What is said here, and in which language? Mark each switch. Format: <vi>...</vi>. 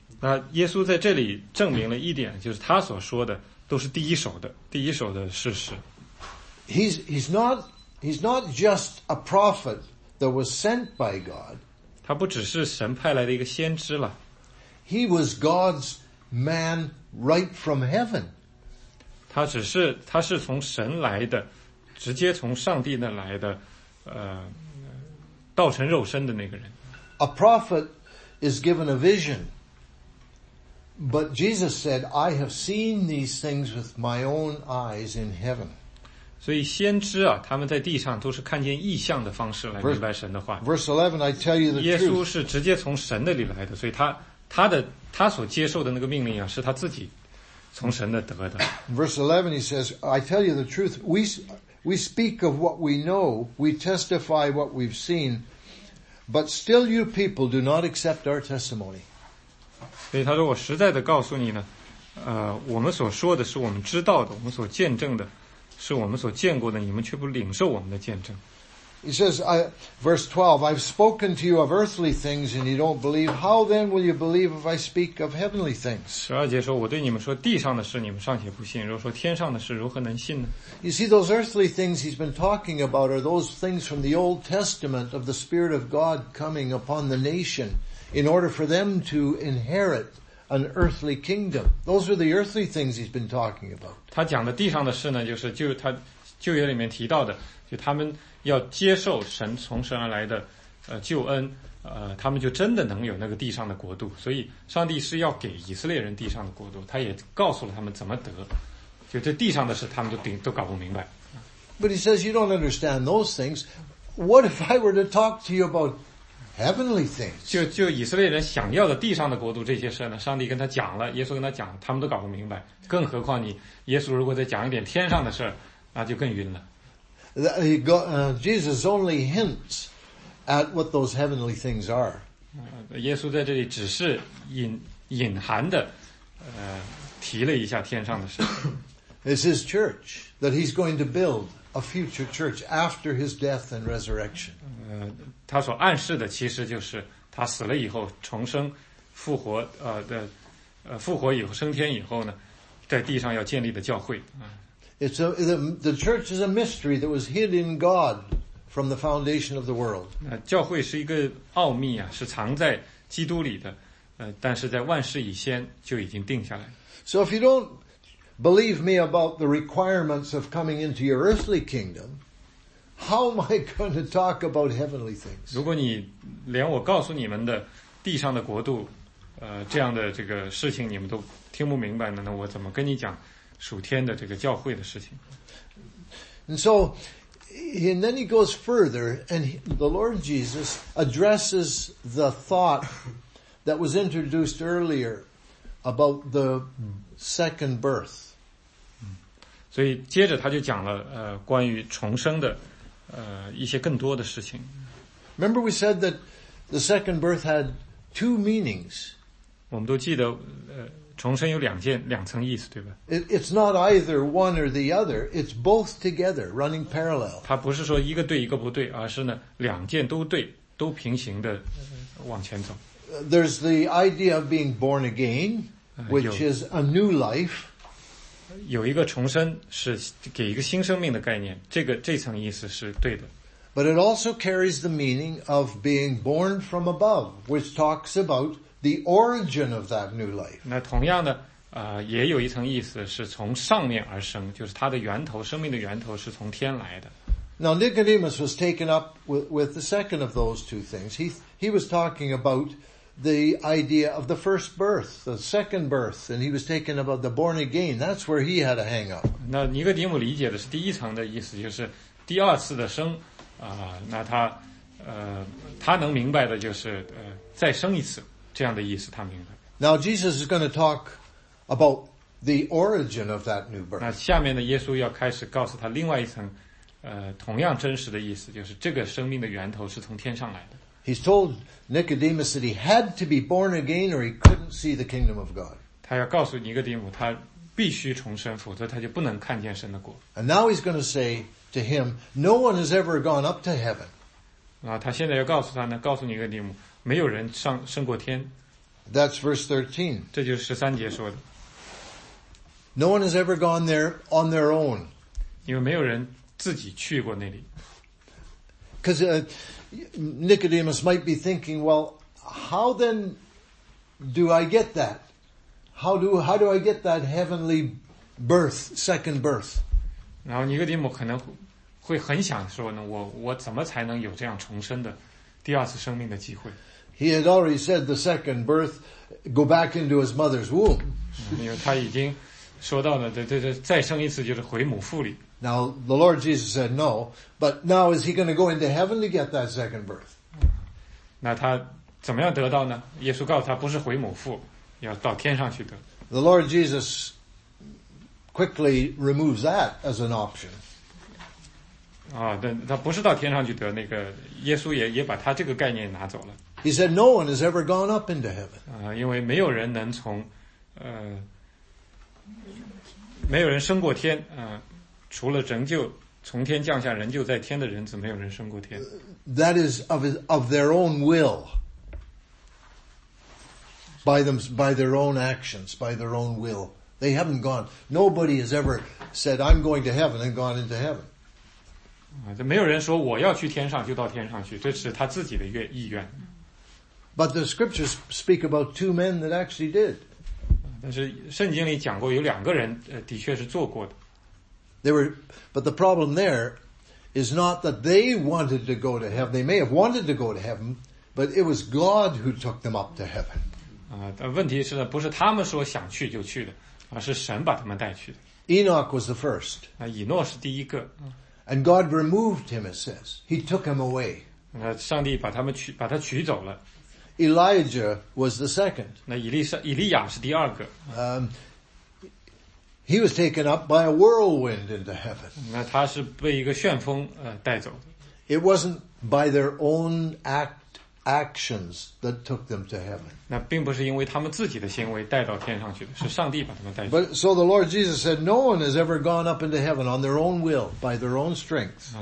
<zh>那耶稣在这里证明了一点，就是他所说的都是第一手的事实。</zh> <en>He's not just a prophet that was sent by God.</en> <zh>他不只是神派来的一个先知了。</zh> <en>He was God's man right from heaven.</en> <zh>他是从神来的，直接从上帝那来的，道成肉身的那个人。</zh> <en>A prophet is given a vision, but Jesus said, "I have seen these things with my own eyes in heaven."</en> <zh>所以先知啊，他们在地上都是看见异象的方式来明白神的话。</zh> <en>Verse 11, I tell you the truth.</en> <zh>耶稣是直接从神那里来的，所以他所接受的那个命令啊，是他自己从神那得的。</zh> <en>Verse 11, he says, "I tell you the truth. We speak of what we know, we testify what we've seen, but still you people do not accept our testimony."</en> <zh>所以他说，我实在的告诉你呢，我们所说的是我们知道的，我们所见证的。是我们所见过的，你们却不领受我们的见证。</zh> <en>He says, verse 12, I've spoken to you of earthly things and you don't believe. How then will you believe if I speak of heavenly things?</en> <zh>十二节说，我对你们说地上的事，你们尚且不信；若说天上的事，如何能信呢？</zh> <en>You see, those earthly things he's been talking about are those things from the Old Testament of the Spirit of God coming upon the nation in order for them to inherit an earthly kingdom. Those are the earthly things he's been talking about.</en> <zh>他讲的地上的事呢，就是就他旧约里面提到的，就他们要接受神从神而来的救恩，他们就真的能有那个地上的国度。所以上帝是要给以色列人地上的国度，他也告诉了他们怎么得。就这地上的事，他们都搞不明白。</zh> <en>But he says you don't understand those things. What if I were to talk to you about heavenly things?</en> <zh>就以色列人想要的地上的国度这些事呢，上帝跟他讲了，耶稣跟他讲了，他们都搞不明白。更何况你耶稣如果再讲一点天上的事，那就更晕了。</zh> <en>Jesus only hints at what those heavenly things are.</en> <zh>耶稣在这里只是隐含的，提了一下天上的事。</zh> <en>It's his church that he's going to build. A future church after his death and resurrection.</en> <zh>他所暗示的其实就是他死了以后重生复活复活以后升天以后呢在地上要建立的教会。</zh> <en>The church is a mystery that was hid in God from the foundation of the world.</en> <zh>教会是一个奥秘啊，是藏在基督里的，但是在万事以先就已经定下来。</zh> <en>So if you don't believe me about the requirements of coming into your earthly kingdom, how am I going to talk about heavenly things?</en> <zh>如果你连我告诉你们的地上的国度，这样的这个事情你们都听不明白呢，那我怎么跟你讲属天的这个教会的事情？</zh> <en>And so, and then he goes further, and the Lord Jesus addresses the thought that was introduced earlier about the second birth.</en> <zh>所以接着他就讲了关于重生的一些更多的事情。</zh> <en>Remember we said that the second birth had two meanings.</en> <zh>我们都记得重生有两层意思，对吧？</zh> <en>It's not either one or the other, it's both together, running parallel.</en> <zh>它不是说一个对一个不对，而是呢两件都对，都平行的往前走。</zh> <en>There's the idea of being born again, which is a new life.</en> <zh>有一个重生是给一个新生命的概念，这层意思是对的。</zh> <en>But it also carries the meaning of being born from above, which talks about the origin of that new life.</en> <zh>那同样的也有一层意思是从上面而生，就是它的源头，生命的源头是从天来的。</zh> <en>Now Nicodemus was taken up with the second of those two things. He was talking about the idea of the first birth, the second birth, and he was taken about the born again. That's where he had a hang up.</en> <zh>那尼哥底母理解的是第一层的意思，就是第二次的生那他能明白的就是再生一次，这样的意思他明白。</zh> <en>Now Jesus is going to talk about the origin of that new birth.</en> <zh>那下面的耶稣要开始告诉他另外一层同样真实的意思，就是这个生命的源头是从天上来的。</zh> <en>He's told Nicodemus that he had to be born again or he couldn't see the kingdom of God.</en> <zh>他要告诉尼哥底母他必须重生，否则他就不能看见神的国。</zh> <en>And now he's going to say to him, no one has ever gone up to heaven.</en> <zh>那他现在要告诉他呢，告诉尼哥底母，没有人升过天。</zh> <en>That's verse 13.</en> <zh>这就是十三节说的。</zh> <en>No one has ever gone there on their own.</en> <zh>因为没有人自己去过那里。</zh> <en>Because Nicodemus might be thinking, well, how then do I get that? How do I get that heavenly birth, second birth?</en> <zh>然后尼哥底母可能会很想说呢，我怎么才能有这样重生的第二次生命的机会？</zh> <en>He had already said the second birth, go back into his mother's womb.</en> <zh>因为他已经说到了，这再生一次就是回母腹里。</zh> <en>Now, the Lord Jesus said no, but now is he going to go into heaven to get that second birth?</en> <zh>那他怎么样得到呢？耶稣告诉他不是回母腹，要到天上去得。</zh> <en>The Lord Jesus quickly removes that as an option.</en> <zh>他不是到天上去得，那个耶稣也把他这个概念拿走了。</zh> <en>He said no one has ever gone up into heaven.</en> <zh>因为没有人能从没有人升过天，除了拯救从天降下仍旧在天的人子，没有人升过天。</zh> <en>That is of their own will, by their own actions, by their own will. They haven't gone. Nobody has ever said, "I'm going to heaven" and gone into heaven.</en> <zh>这没有人说我要去天上就到天上去，这是他自己的意愿。</zh> <en>But the scriptures speak about two men that actually did.</en> <zh>但是圣经里讲过有两个人的确是做过的。</zh> <en>But the problem there is not that they wanted to go to heaven. They may have wanted to go to heaven, but it was God who took them up to heaven.</en> <zh>问题是呢，不是他们说想去就去的，而是神把他们带去的。</zh> <en>Enoch was the first.</en> <zh>以诺是第一个。</zh> <en>And God removed him, it says. He took him away.</en> <zh>上帝把他取走了。</zh> <en>Elijah was the second.</en> <zh>以利亚是第二个。</zh> <en>He was taken up by a whirlwind into heaven.</en> <zh>那他是被一个旋风带走。</zh> <en>It wasn't by their own actions that took them to heaven.</en> <zh>那并不是因为他们自己的行为带到天上去的，是上帝把他们带走。</zh> <en>But so the Lord Jesus said, no one has ever gone up into heaven on their own will, by their own strength.</en>